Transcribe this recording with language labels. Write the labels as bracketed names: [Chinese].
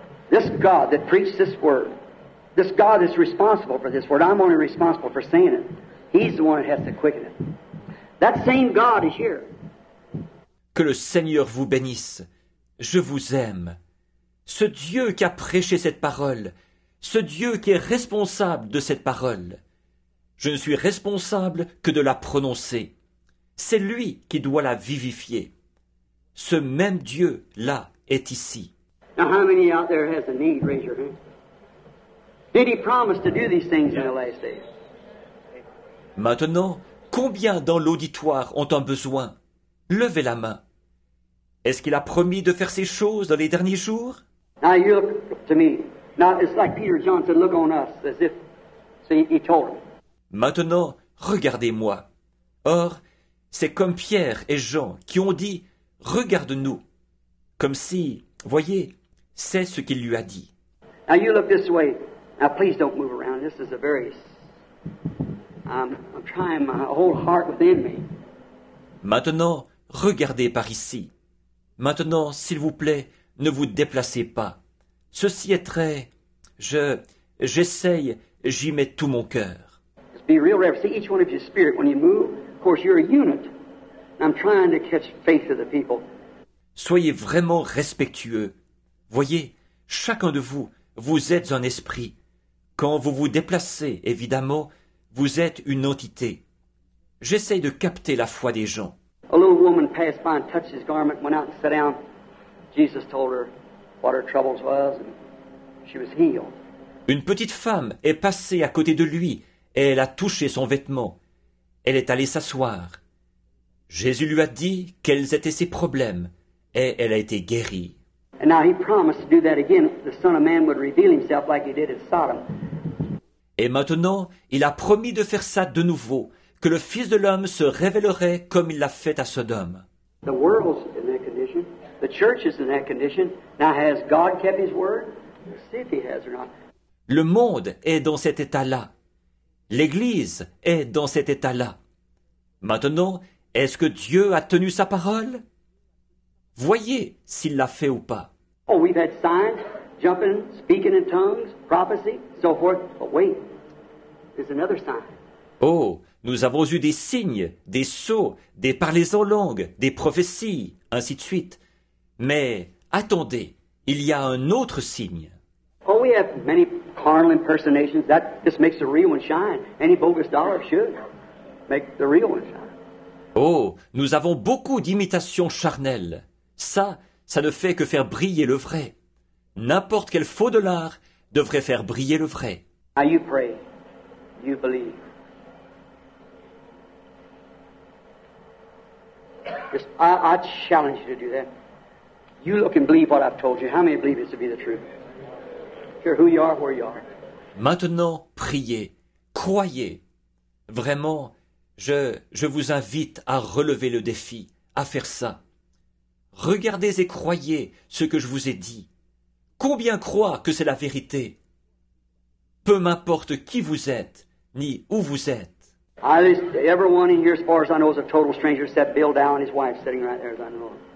[English] This God that preached this word. This God is responsible for this word. I'm only responsible for saying it. He's the one that has to quicken it. That same God is here. [French] Que le Seigneur vous bénisse. Je vous aime. Ce Dieu qui a prêché cette parole, ce Dieu qui est responsable de cette parole, je ne suis responsable que de la prononcer. C'est lui qui doit la vivifier. Ce même Dieu-là est ici. [English] Now how many out there has a need? Raise your hand. Did he promise to do these things in the last days? [French] Maintenant, combien dans l'auditoire ont un besoin? Levez la main. Est-ce qu'il a promis de faire ces choses dans les derniers jours? [English] Now you look to me. Now it's like Peter John said, look on us, as if he told him. [French] Maintenant, regardez-moi. Or, c'est comme Pierre et Jean qui ont dit, regarde-nous. Comme si, voyez, c'est ce qu'il lui a dit. [English] Now you look this way. Now please don't move around. This is a very... I'm trying my whole heart within me. [French] Maintenant, regardez par ici. Maintenant, s'il vous plaît, ne vous déplacez pas. Ceci est très... J'essaye, j'y mets tout mon cœur. [English] Just be real reverent. See, each one of your spirit, when you move, of course, you're a unit. I'm trying to catch faith of the people. [French] Soyez vraiment respectueux. Voyez, chacun de vous, vous êtes un esprit. Quand vous vous déplacez, évidemment, vous êtes une entité. J'essaye de capter la foi des gens. [English] A little woman passed by and touched his garment, went out and sat down. Jesus told her what her troubles was, and she was healed. [French] Une petite femme est passée à côté de lui, et elle a touché son vêtement. Elle est allée s'asseoir. Jésus lui a dit quels étaient ses problèmes, et elle a été guérie. [English] And now he promised to do that again. The Son of Man would reveal himself like he did at Sodom. [French] Et maintenant, il a promis de faire ça de nouveau, que le Fils de l'homme se révélerait comme il l'a fait à Sodome. [English] The world's in that condition. The church is in that condition. Now has God kept his word? Let's see if he has or not. [French] Le monde est dans cet état-là. L'Église est dans cet état-là. Maintenant, est-ce que Dieu a tenu sa parole? Voyez s'il l'a fait ou pas. [English] Oh, we've had signs, jumping, speaking in tongues, prophecy, so forth. But wait, there's another sign. [French] Oh, nous avons eu des signes, des sauts, des parlers en langue, des prophéties, ainsi de suite. Mais Attendez, il y a un autre signe. [English] Oh, we have many carnal impersonations. That just makes the real one shine. Any bogus dollar should make the real one shine. [French] Oh, nous avons beaucoup d'imitations charnelles. Ça ne fait que faire briller le vrai. N'importe quel faux dollar devrait faire briller le vrai. [English] Now you pray, you believe. I challenge you to do that. You look and believe what I've told you. How many believe this to be the truth? Sure, who you are, where you are. [French] Maintenant, priez, croyez. Vraiment, je vous invite à relever le défi, à faire ça. Regardez et croyez ce que je vous ai dit. Combien croient que c'est la vérité? Peu m'importe qui vous êtes, ni où vous êtes. [English] Everyone in here, as far as I know, is a total stranger, except Bill Dow and his wife sitting right there, as I know.